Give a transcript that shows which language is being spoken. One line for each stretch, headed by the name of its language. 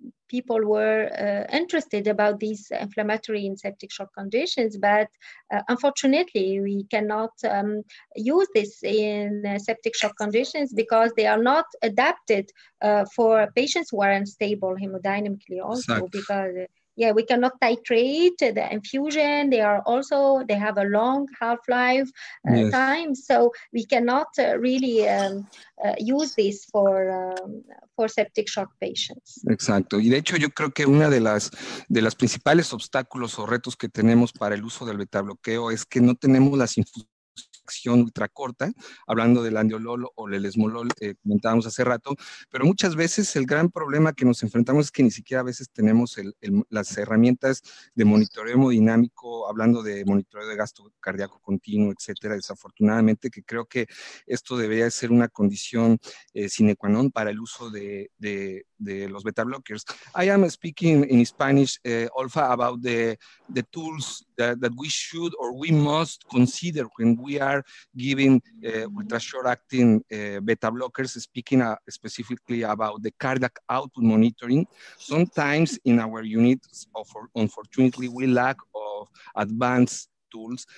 English: People were interested about these inflammatory and septic shock conditions, but unfortunately, we cannot use this in septic shock conditions because they are not adapted for patients who are unstable hemodynamically also, exactly. because we cannot titrate the infusion. They have a long half-life yes. time, so we cannot really use this for septic shock patients.
Spanish: Exacto. Y de hecho, yo creo que una de las principales obstáculos o retos que tenemos para el uso del beta bloqueo es que no tenemos las infusión ultracorta, hablando del andiolol o el esmolol, comentábamos hace rato, pero muchas veces el gran problema que nos enfrentamos es que ni siquiera a veces tenemos las herramientas de monitoreo hemodinámico, hablando de monitoreo de gasto cardíaco continuo, etcétera, desafortunadamente, que creo que esto debería ser una condición sine qua non para el uso de los beta blockers.
English: I am speaking in Spanish, Olfa, about the tools that we should or we must consider when we are giving ultra short acting beta blockers, speaking specifically about the cardiac output monitoring. Sometimes in our units, unfortunately, we lack of advanced tools.